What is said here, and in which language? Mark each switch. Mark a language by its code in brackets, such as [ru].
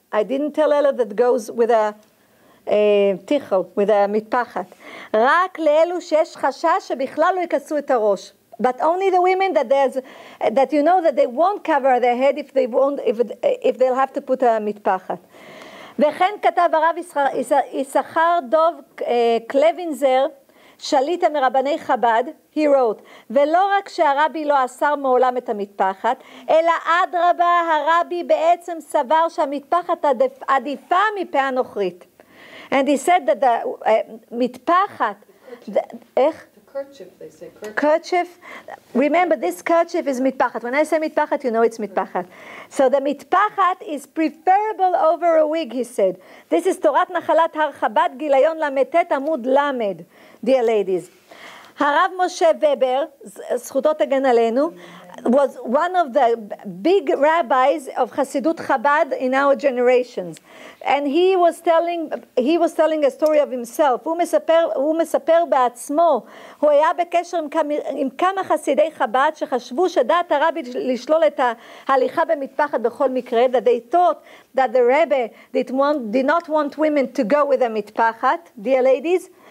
[en] I didn't tell Ella that goes with a tichel, with a mitpachat. [he] Rak le'elu she'esh chashash she'bichlal lo yikasu et harosh. [en] But only the women that you know that they won't cover their head if they'll have to put a mitpachat. [he] V'chen katav Rav Yisachar Dov Klevinzer, שליט מרבני חב"ד, [en] he wrote, [he] ולא רק שהרבי לא אסר מעולם את המטפחת, אלא אדרבה, הרבי בעצם סבר שהמטפחת עדיפה מפאה נוכרית. [en] And he said that the [he] מטפחת, איך? [en] The kerchief, they say. Kerchief. Remember, this kerchief is mitpachat. When I say mitpachat, you know it's mitpachat. So the mitpachat is preferable over a wig, he said. This is Torat Nachalat Har Chabad Gilayon Lametet Amud Lamed, dear ladies. Harav Moshe Weber, Zchutot Hagen Aleinu, was one of the big rabbis of Hasidut Chabad in our generations. And he was telling a story of himself. [he] הוא מספר בעצמו, הוא היה בקשר עם כמה חסידי חב"ד שחשבו שדעת הרבי לשלול את ההליכה במטפחת בכל מקרה, [en] that they thought that the Rebbe did not want women to go with a mitpachat, dear ladies.